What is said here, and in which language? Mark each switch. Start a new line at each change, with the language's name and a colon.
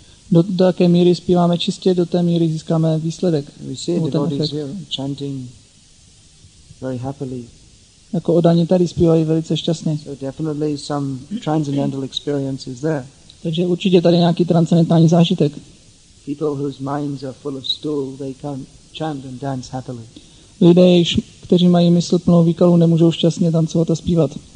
Czech: Do také míry zpíváme čistě, do té míry získáme výsledek.
English: We see the devotees here chanting very happily.
Czech: Jako oddaní tady zpívají velice šťastně.
English: So definitely some transcendental experience is there.
Czech: Takže určitě tady nějaký transcendentální zážitek.
English: People whose minds are full of stool, they can't chant and dance happily.
Czech: Lidé, kteří mají mysl plnou výkalů, nemůžou šťastně tancovat a zpívat.